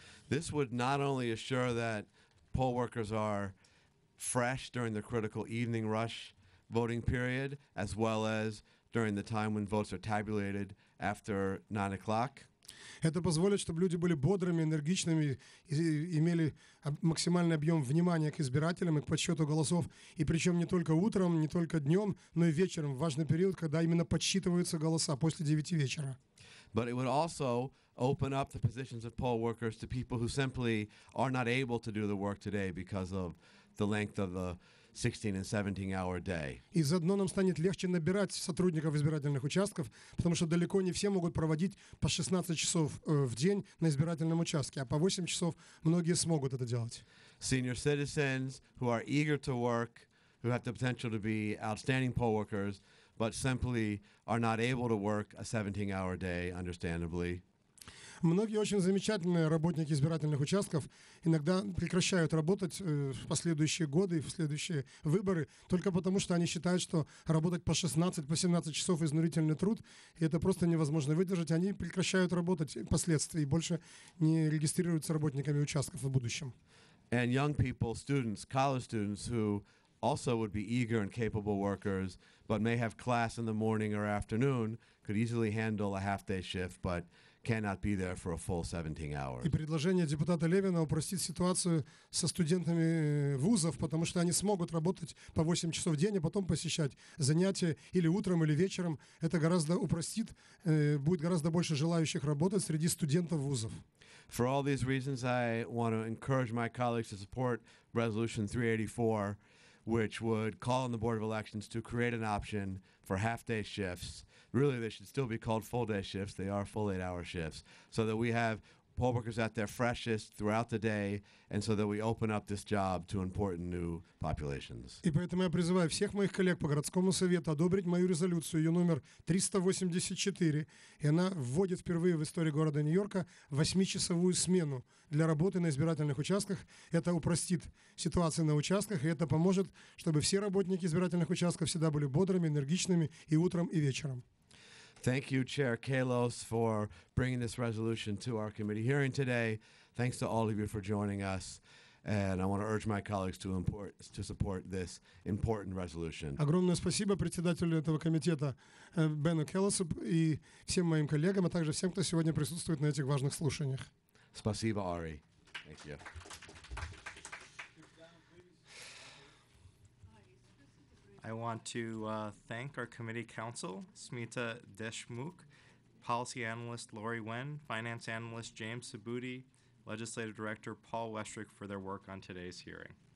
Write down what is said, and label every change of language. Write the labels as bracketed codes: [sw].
[en] This would not only assure that poll workers are fresh during the critical evening rush voting period, as well as during the time when votes are tabulated after 9 o'clock. [ru] Это позволит, чтобы люди были бодрыми, энергичными, и имели максимальный объем внимания к избирателям и к подсчету голосов. И причем не только утром, не только днем, но и вечером, в важный период, когда именно подсчитываются голоса после 9 вечера. [en] But it would also open up the positions of poll workers to people who simply are not able to do the work today because of the length of the 16 and 17 hour day. [ru] И заодно нам станет легче набирать сотрудников избирательных участков, потому что далеко не все могут проводить по 16 часов в день на избирательном участке, а по 8 часов многие смогут это делать. [en] Senior citizens who are eager to work, who have the potential to be outstanding poll workers, but simply are not able to work a 17 hour day, understandably. [ru] Многие очень замечательные работники избирательных участков иногда прекращают работать в последующие годы и в следующие выборы только потому, что они считают, что работать по 16, по 17 часов – изнурительный труд, и это просто невозможно выдержать. Они прекращают работать впоследствии и больше не регистрируются работниками участков в будущем. [en] And young people, students, college students, who also would be eager and capable workers, but may have class in the morning or afternoon, could easily handle a half-day shift, but cannot be there for a full 17 hours. [ru] И предложение депутата Левина упростить ситуацию со студентами вузов, потому что они смогут работать по 8 часов в день, а потом посещать занятия или утром, или вечером. Это гораздо упростит, будет гораздо больше желающих работать среди студентов вузов. [en] For all these reasons, I want to encourage my colleagues to support Resolution 384, which would call on the Board of Elections to create an option for half-day shifts. Really, they should still be called full-day shifts. They are full 8-hour shifts. So that we have poll workers at their freshest throughout the day, and so that we open up this job to important new populations. [ru] И поэтому я призываю всех моих коллег по городскому совету одобрить мою резолюцию, ее номер 384, и она вводит впервые в истории города Нью-Йорка 8-часовую смену для работы на избирательных участках. Это упростит ситуацию на участках, и это поможет, чтобы все работники избирательных участков всегда были бодрыми, энергичными и утром, и вечером. [en] Thank you, Chair Kallos, for bringing this resolution to our committee hearing today. Thanks to all of you for joining us. And I want to urge my colleagues to support this important resolution. [ru] Огромное спасибо председателю этого комитета Бену Келлосу и всем моим коллегам, а также всем, кто сегодня присутствует на этих важных слушаниях. Спасибо, Ари. [en] Thank you. I want to thank our committee counsel, Smita Deshmukh, policy analyst Lori Wen, finance analyst James Sabuti, legislative director Paul Westrick for their work on today's hearing.